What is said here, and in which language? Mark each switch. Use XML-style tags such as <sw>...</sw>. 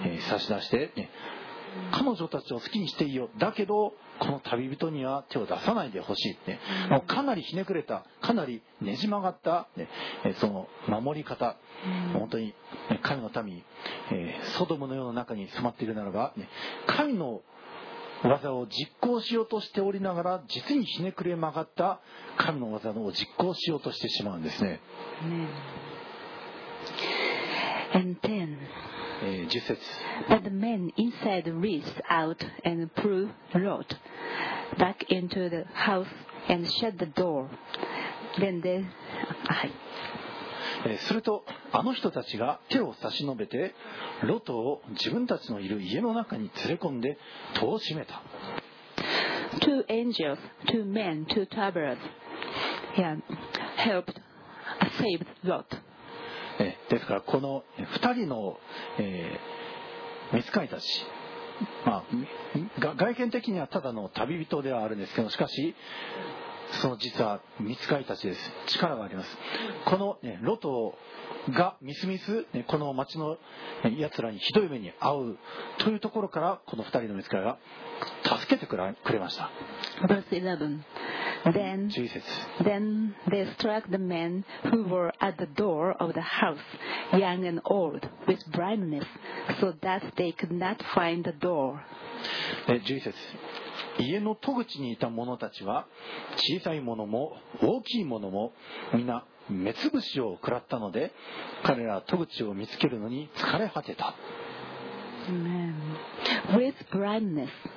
<ja>差し出して、彼女たちを好きにしていいよ、だけどこの旅人には手を出さないでほしい、ね、もうかなりひねくれた、かなりねじ曲がった、ね、その守り方、本当に神の民、ソドムの世の中に染まっているならば、ね、神の技を実行しようとしておりながら実にひねくれ曲がった神の技を実行しようとしてしまうんですね。</ja> <en>And then,</en> <ja>10節。</ja> <en>But the men inside reached out and pulled Lot back into the house and shut the door. Then they, はい。</en> <ja>するとあの人たちが手を差し伸べてロトを自分たちのいる家の中に連れ込んで戸を閉めた。</ja> <en>Two angels, two men, two travelers, helped save Lot.</en> <ja>ですからこの2人の、見つかりたち、まあ、外見的にはただの旅人ではあるんですけど、しかしその実は見つかりたちです、力があります。この、ね、ロトがみすみす、ね、この町のやつらにひどい目に遭うというところからこの2人の見つかりが助けてくれました。</ja> <en>Verse 11Then, they struck the men who were at the door of the house, young and old, with blindness, so that they could not find the door.</en> <ja>11節。家の戸口にいた者たちは、小さい者も大きい者も、みんな目つぶしを食らったので、彼らは戸口を見つけるのに疲れ果てた。</ja> <en>With blindness.</en>